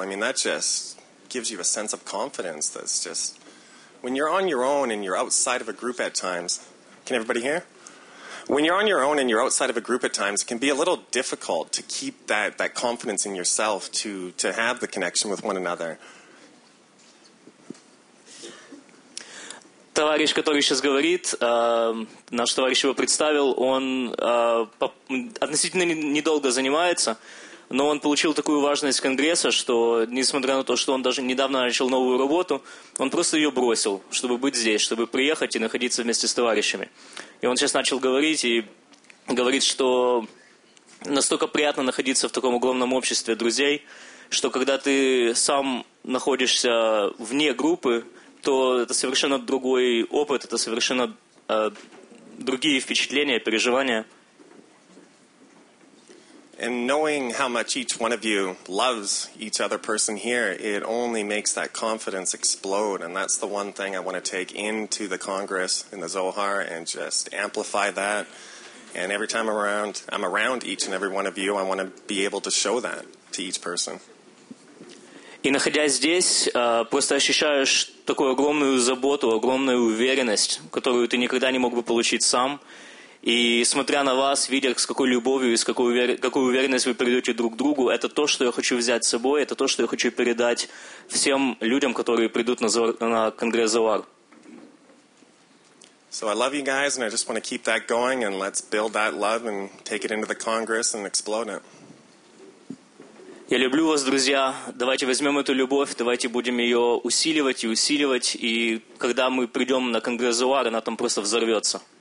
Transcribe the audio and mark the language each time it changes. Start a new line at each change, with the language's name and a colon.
English: I mean, that just gives you a sense of confidence. That's just, when you're on your own and you're outside of a group at times, can everybody hear? When you're on your own and you're outside of a group at times, it can be a little difficult to keep that confidence in yourself to have the connection with one another.
Russian: Товарищ, который сейчас говорит, наш товарищ его представил, он относительно недолго занимается, но он получил такую важность Конгресса, что, несмотря на то, что он даже недавно начал новую работу, он просто ее бросил, чтобы быть здесь, чтобы приехать и находиться вместе с товарищами. И он сейчас начал говорить, и говорит, что настолько приятно находиться в таком огромном обществе друзей, что когда ты сам находишься вне группы, то это совершенно другой опыт, это совершенно другие впечатления, переживания.
English: And knowing how much each one of you loves each other person here, it only makes that confidence explode, and that's the one thing I want to take into the Congress in the Zohar and just amplify that. And every time I'm around each and every one of you, I want to be able to show that to each person.
Russian: И находясь здесь, просто ощущаешь такую огромную заботу, огромную уверенность, которую ты никогда не мог бы получить сам. И смотря на вас, видя, с какой любовью и с какой, какой уверенностью вы передаете друг другу, это то, что я хочу взять с собой, это то, что я хочу передать всем людям, которые придут на конгресс ЗОАР.
English: So I love you guys, and I just want to keep that going, and let's build that love and take it into the Congress and explode it.
Russian: Я люблю вас, друзья. Давайте возьмем эту любовь, давайте будем ее усиливать и усиливать, и когда мы придем на конгресс ЗОАР, она там просто взорвется.